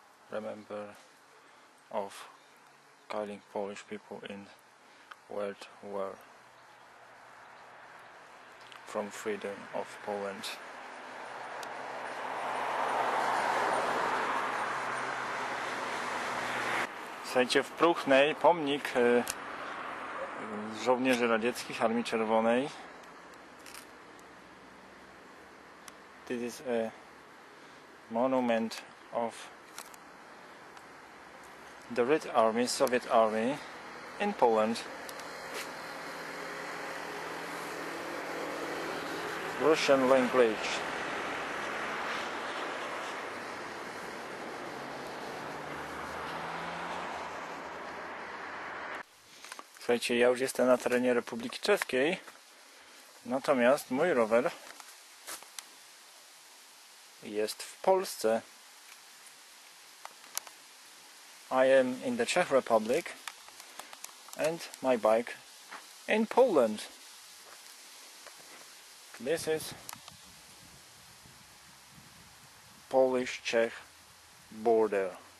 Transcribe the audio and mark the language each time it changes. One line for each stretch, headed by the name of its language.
English: Remember of killing Polish people in World War from freedom of Poland.
Polish: Słuchajcie, w Próchnej pomnik żołnierzy radzieckich Armii Czerwonej.
English: This is a monument of the Red Army, Soviet Army in Poland. Russian language.
Polish: Słuchajcie, ja już jestem na terenie Republiki Czeskiej, natomiast mój rower jest w Polsce.
English: I am in the Czech Republic and my bike in Poland. This is Polish-Czech border.